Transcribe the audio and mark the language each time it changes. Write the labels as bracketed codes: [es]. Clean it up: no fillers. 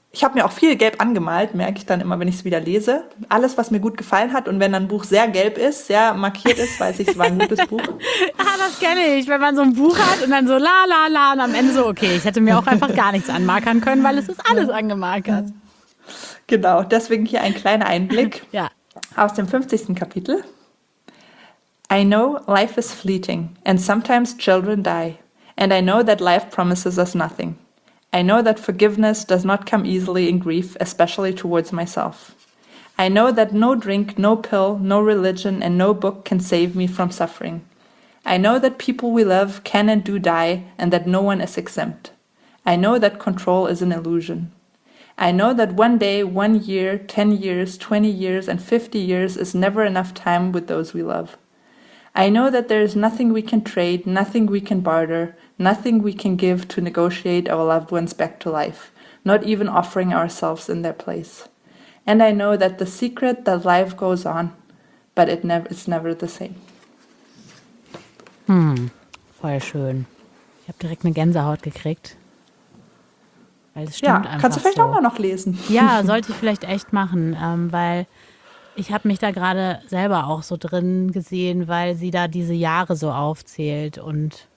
[de] Ich habe mir auch viel gelb angemalt, merke ich dann immer, wenn ich es wieder lese. Alles, was mir gut gefallen hat und wenn dann ein Buch sehr gelb ist, sehr markiert ist, weiß ich, es war ein gutes Buch. Ah, das kenne ich, wenn man so ein Buch hat und dann so la la la und am Ende so, okay, ich hätte mir auch einfach gar nichts anmarkern können, weil es ist alles angemarkert. Genau, deswegen hier ein kleiner Einblick ja. aus dem 50. Kapitel. [en] I know life is fleeting and sometimes children die. And I know that life promises us nothing. I know that forgiveness does not come easily in grief, especially towards myself. I know that no drink, no pill, no religion, and no book can save me from suffering. I know that people we love can and do die, and that no one is exempt. I know that control is an illusion. I know that one day, 1 year, 10 years, 20 years, and 50 years is never enough time with those we love. I know that there is nothing we can trade, nothing we can barter, nothing we can give to negotiate our loved ones back to life, not even offering ourselves in their place. And I know that the secret that life goes on, but it's never the same. [de] Voll schön. Ich habe direkt eine Gänsehaut gekriegt. Weil es stimmt ja, einfach. Kannst du vielleicht so. Auch mal noch lesen? Ja, sollte ich vielleicht echt machen, weil ich habe mich da gerade selber auch so drin gesehen, weil sie da diese Jahre so aufzählt und.